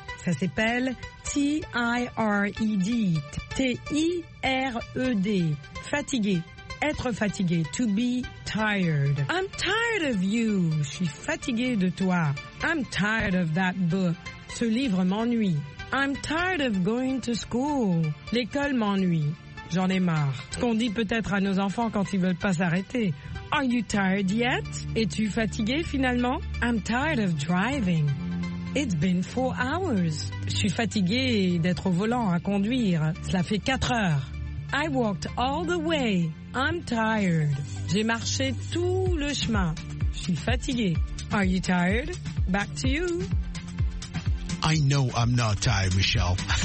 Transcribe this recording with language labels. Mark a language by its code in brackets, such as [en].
[fr] Ça s'appelle T-I-R-E-D. T-I-R-E-D. Fatigué. Être fatigué. [en] To be tired. I'm tired of you. [fr] Je suis fatigué de toi. [en] I'm tired of that book. [fr] Ce livre m'ennuie. [en] I'm tired of going to school. [fr] L'école m'ennuie. J'en ai marre. Ce qu'on dit peut-être à nos enfants quand ils veulent pas s'arrêter. [en] Are you tired yet? [fr] Es-tu fatigué finalement? [en] I'm tired of driving. It's been 4 hours. [fr] Je suis fatigué d'être au volant à conduire. Cela fait 4 heures. [en] I walked all the way. I'm tired. [fr] J'ai marché tout le chemin. Je suis fatigué. [en] Are you tired? Back to you. I know I'm not tired, Michelle.